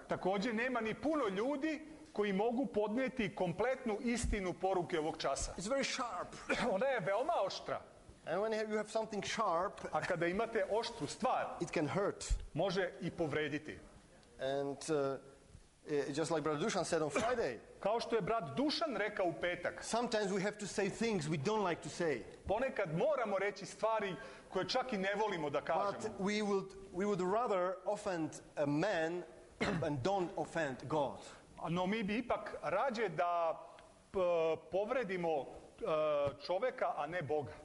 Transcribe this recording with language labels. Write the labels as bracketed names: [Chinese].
[Serbian] Također nema ni puno ljudi koji mogu podnijeti kompletnu istinu poruke ovog časa. [English] It's very sharp. [Serbian] Ona je veoma oštra. [English] And when you have something sharp, [Serbian] a kada imate oštru stvar, [English] it can hurt. [Serbian] Može i povrediti. [English] And just like Brother Dušan said on Friday. [Serbian] Kao što je brat Dušan rekao u petak. [English] Sometimes we have to say things we don't like to say. [Serbian] Ponekad moramo reći stvari koje čak i ne volimo da kažemo. [English] But we would rather offend a man and don't offend God. [Serbian] No, mi bi ipak rađe da povredimo čovjeka, a ne Boga.